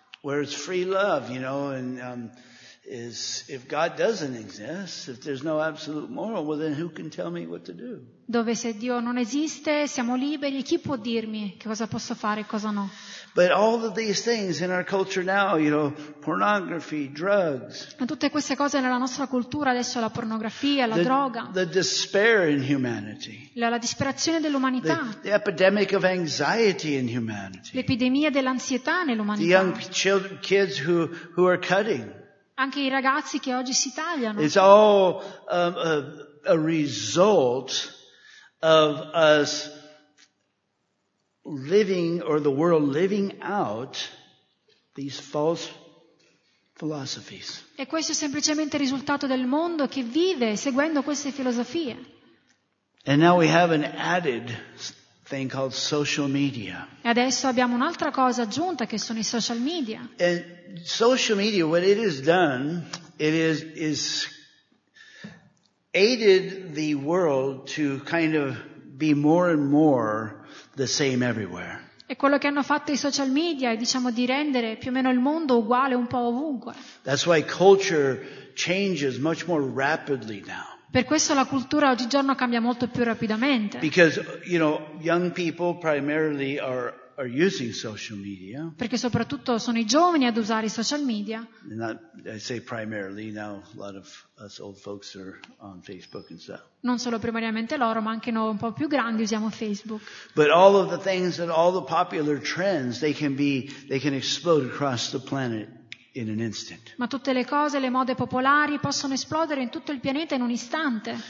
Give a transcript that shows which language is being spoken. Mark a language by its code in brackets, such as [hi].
[en] Where it's free love, you know, and is if God doesn't exist, if there's no absolute moral, well then who can tell me what to do? [it] Dove se Dio non esiste siamo liberi, chi può dirmi che cosa posso fare e cosa no? [en] But all of these things in our culture now, you know, pornography, drugs. [it] Ma tutte queste cose nella nostra cultura adesso, la pornografia, la droga. [en] The despair in humanity. [it] La disperazione dell'umanità. [en] The epidemic of anxiety in humanity. [it] L'epidemia dell'ansietà nell'umanità. [en] The young children, kids who are cutting. [it] Anche i ragazzi che oggi si tagliano. [en] It's all a result of us living, or the world living out these false philosophies. [it] E questo è semplicemente il risultato del mondo che vive seguendo queste filosofie. [en] And now we have an added thing called social media. [it] E adesso abbiamo un'altra cosa aggiunta che sono i social media. [en] And social media, what it has done, it is aided the world to kind of be more and more the same everywhere. [it] E quello che hanno fatto i social media è, diciamo, di rendere più o meno il mondo uguale un po' ovunque. [en] That's why culture changes much more rapidly now. [it] Per questo la cultura oggigiorno cambia molto più rapidamente. [en] Because, you know, young people primarily are using social media. [it] Perché soprattutto sono i giovani ad usare i social media. [en] I say primarily now, a lot of us old folks are on Facebook and stuff. [it] Non solo primariamente loro, ma anche noi un po' più grandi usiamo Facebook. [en] But all of the things and all the popular trends, they can explode across the planet in an instant. [it] Ma tutte le cose, le mode popolari possono esplodere in tutto il pianeta in un istante.